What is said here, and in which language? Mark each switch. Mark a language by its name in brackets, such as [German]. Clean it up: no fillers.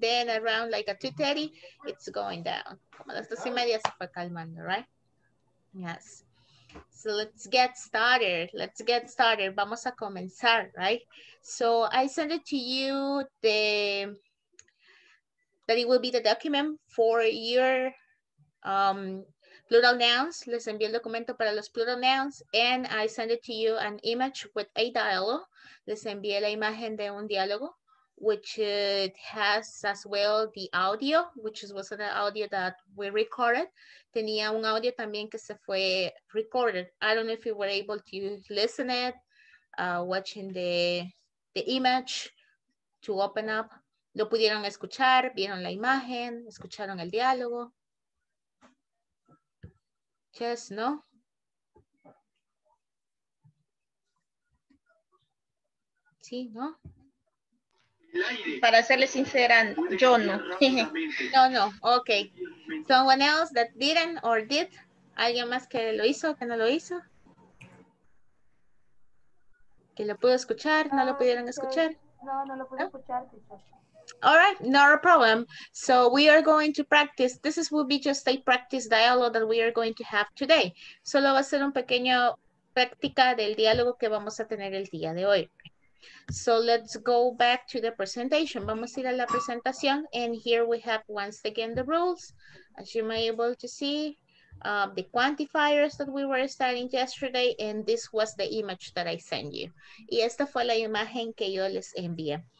[English] Then around like a 2:30, it's going down. [Spanish] Como las 2:30 se fue calmando, [English] right? Yes. So let's get started. Let's get started. [Spanish] Vamos a comenzar, [English] right? So I sent it to you that it will be the document for your plural nouns. [Spanish] Les envié el documento para los plural nouns. [English] And I sent it to you an image with a dialogue. [Spanish] Les envié la imagen de un diálogo, [English] which it has as well the audio, which was an audio that we recorded. [Spanish] Tenía un audio también que se fue recorded. [English] I don't know if you were able to listen it, watching the image to open up. [Spanish] Lo pudieron escuchar, vieron la imagen, escucharon el diálogo. [English] Yes, no? [Spanish] Sí, no? Para serle sincera, yo no. [English] No, no, okay. Someone else that didn't or did? [Spanish] ¿Alguien más que lo hizo o que no lo hizo? ¿Que lo pudo escuchar? ¿No lo pudieron escuchar? No lo pude escuchar. [English] All right, not a problem. So we are going to practice. This is will be just a practice dialogue that we are going to have today. [Spanish] Solo va a ser un pequeño práctica del diálogo que vamos a tener el día de hoy. [English] So let's go back to the presentation. [Spanish] Vamos a ir a la presentación. [English] And here we have once again the rules. As you may be able to see, the quantifiers that we were studying yesterday. And this was the image that I sent you. [Spanish] Y esta fue la imagen que yo les envié.